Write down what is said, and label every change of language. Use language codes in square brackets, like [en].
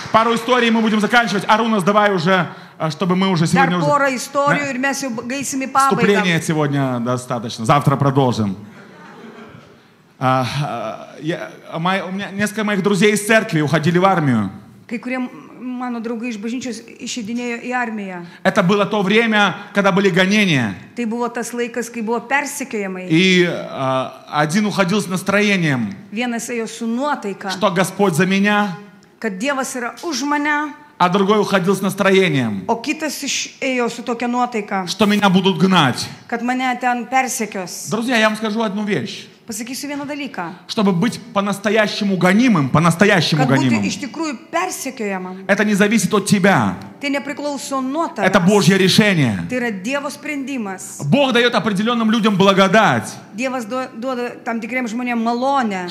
[ru] Пару историй мы будем заканчивать. Арунас, давай уже, чтобы мы уже сегодня... [lt] Dar pora istorijų ir mes jau gaisim į pabaigą. [ru] Вступление сегодня достаточно. Завтра продолжим. У меня несколько моих друзей из церкви уходили в армию. [lt] Kai kurie mano draugai iš bažnyčios išeidinėjo į armiją. [ru] Это было то время, когда были гонения. [lt] Tai buvo tas laikas, kai buvo persekiojimai. [ru] И один уходил с настроением. [lt] Vienas ėjo su nuotaika. [ru] Что Господь за меня? [lt] Kad Dievas yra už mane. [ru] А другой уходил с настроением. [lt] O kitas ėjo su tokia nuotaika. [ru] Что меня будут гнать. [lt] Kad mane ten persekios. [ru] Друзья, я вам скажу одну вещь. [lt] Посакysiu vieną dalyką. [ru] Чтобы быть по-настоящему гонимым, по-настоящему гонимым. [lt] Iš tikrųjų persekiojamam. [ru] Это не зависит от тебя. [lt] Tai nepriklauso nuo tavęs. [ru] Это Божье решение. [lt] Tai yra Dievo sprendimas. [ru] Бог дает определенным людям благодать. [lt] Dievas duoda tam tikriem žmonėm malonę.